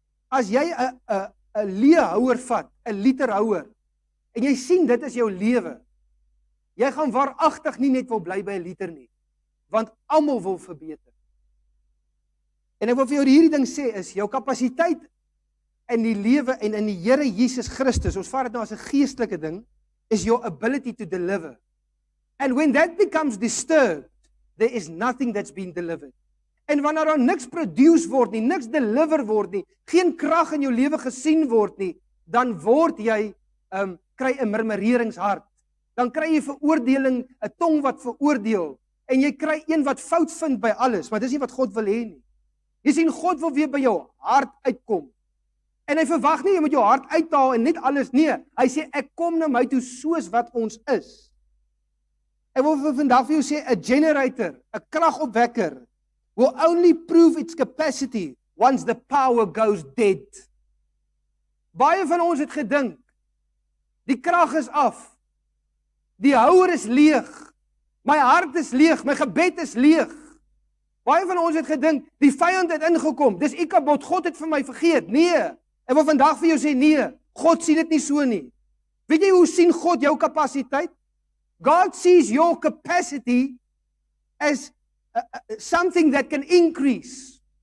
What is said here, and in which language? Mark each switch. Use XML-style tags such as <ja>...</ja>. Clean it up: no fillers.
<af>As jy 'n leehouer vat, 'n literhouer, en jy sien dit is jou lewe. Jy gaan waaragtig nie net wil bly by 'n liter nie, want almal wil verbeter. En ek wil vir jou hierdie ding sê is jou kapasiteit in die lewe en in die Here Jesus Christus. Ons vat dit nou as 'n geestelike ding,</af> <en>is your ability to deliver. And when that becomes disturbed, there is nothing that's been delivered.</en> <af>En wanneer daar niks produce word nie, niks deliver word nie, geen krag in jou lewe gesien word nie, dan word jy kry 'n murmureringshart, dan kry jy veroordeling, 'n tong wat veroordeel, en jy kry een wat fout vind by alles, maar dis nie wat God wil hê nie. Jy sien, God wil weer by jou hart uitkom, en hy verwag nie, jy moet jou hart uithaal en net alles, nee, hy sê, ek kom na my toe soos wat ons is. Ek wil vandag vir jou sê,</af> <en>a generator, a kragopwekker, will only prove its capacity once the power goes dead.</en> <af>Baie van ons het gedink, die krag is af, die houer is leeg, my hart is leeg, my gebed is leeg. Baie van ons het gedink, die vijand het ingekom, dis Ikabod, God het vir my vergeet, nee. Ek wil vandag vir jou sê, nee, God sien dit nie so nie. Weet jy hoe sien God jou kapasiteit?</af> <en>God sees your capacity as something that can increase.</en>